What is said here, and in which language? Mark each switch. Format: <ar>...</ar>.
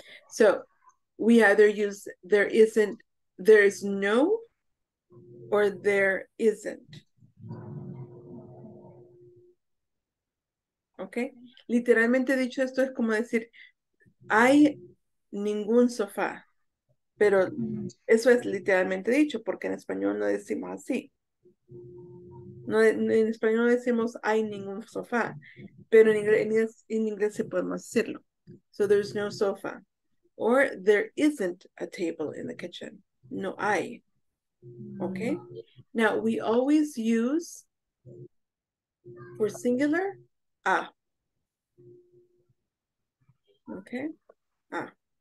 <en>So we either use there isn't, there is no, or there isn't. Okay.</en> <es>Literalmente dicho, esto es como decir hay ningún sofá. Pero eso es literalmente dicho, porque en español no decimos así. No, en español no decimos hay ningún sofá, pero en inglés se podemos decirlo.</es> <en>So there's no sofa. Or there isn't a table in the kitchen.</en> <es>No hay.</es> <en>Okay? Now, we always use, for singular, a. Okay? A.</en>